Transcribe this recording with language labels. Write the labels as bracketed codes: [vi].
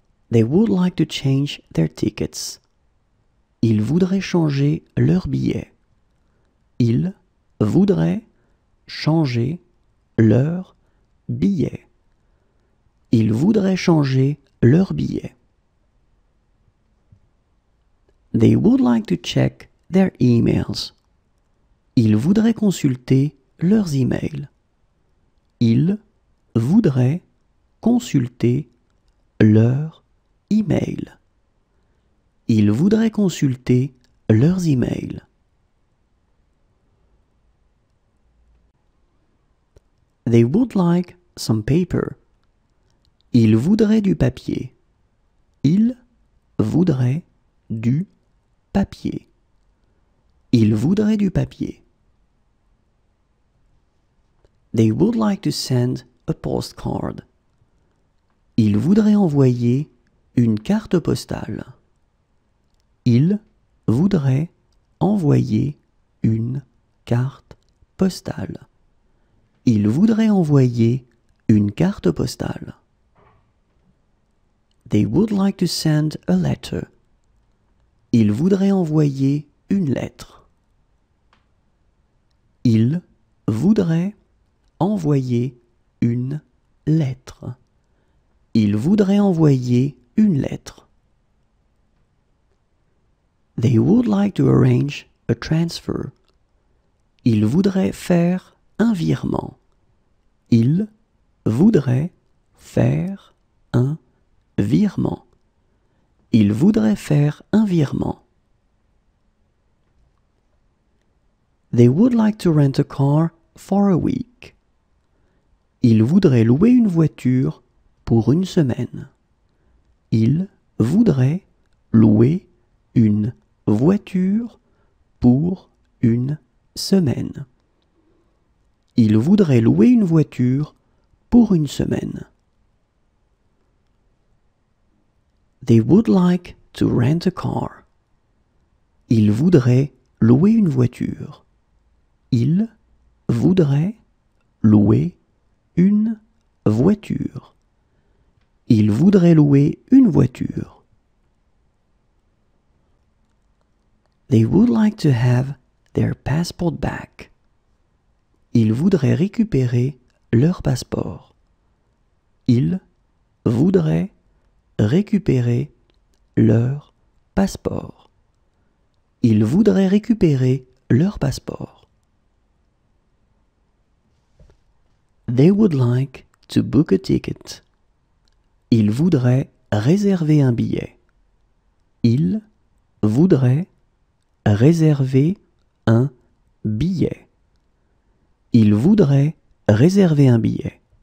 [en] They would like to change their tickets. [fr] Ils voudraient changer leurs billets. Ils voudraient changer leurs billets. Ils voudraient changer leurs billets. [en] They would like to check their emails. [fr] Ils voudraient consulter leurs emails. Ils voudraient consulter leurs emails. Ils voudraient consulter leurs emails. [en] They would like some paper. [fr] Ils voudraient du papier. Ils voudraient du papier. Ils voudraient du papier. [en] They would like to send a postcard. [fr] Ils voudraient envoyer une carte postale. Ils voudraient envoyer une carte postale. Ils voudraient envoyer une carte postale. [en] They would like to send a letter. [fr] Ils voudraient envoyer une lettre. Ils voudraient envoyer une lettre. Ils voudraient envoyer une lettre. [en] They would like to arrange a transfer. [fr] Ils voudraient faire un virement. Ils voudraient faire un virement. Ils voudraient faire un virement. [en] They would like to rent a car for a week. [fr] Ils voudraient louer une voiture pour une semaine. Ils voudraient louer une voiture pour une semaine. Ils voudraient louer une voiture pour une semaine. [en] They would like to rent a car. [fr] Ils voudraient louer une voiture. Ils voudraient louer une voiture. Ils voudraient louer une voiture. [en] They would like to have their passport back. [fr] Ils voudraient récupérer leur passeport. Ils voudraient récupérer leur passeport. Ils voudraient récupérer leur passeport. [en] They would like to book a ticket. [fr] Ils voudraient réserver un billet. Ils voudraient réserver un billet. Ils voudraient réserver un billet.